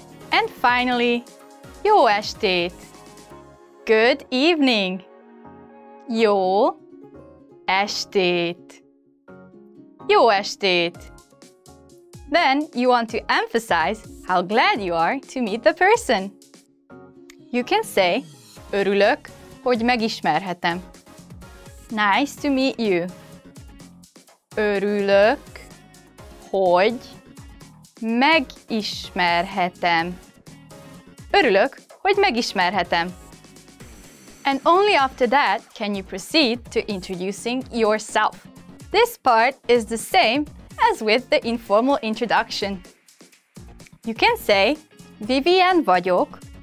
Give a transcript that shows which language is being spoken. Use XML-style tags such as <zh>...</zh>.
<en>And finally,</en> <hu>Jó estét.</hu> <en>Good evening.</en> <hu>Jó estét. Jó estét.</hu> <en>Then you want to emphasize how glad you are to meet the person. You can say,</en> <hu>Örülök, hogy megismerhetem.</hu> <en>Nice to meet you.</en> <hu>Örülök, hogy megismerhetem. Örülök, hogy megismerhetem.</hu> <en>And only after that can you proceed to introducing yourself. This part is the same as with the informal introduction. You can say,</en> <hu>Vivian vagyok,</hu>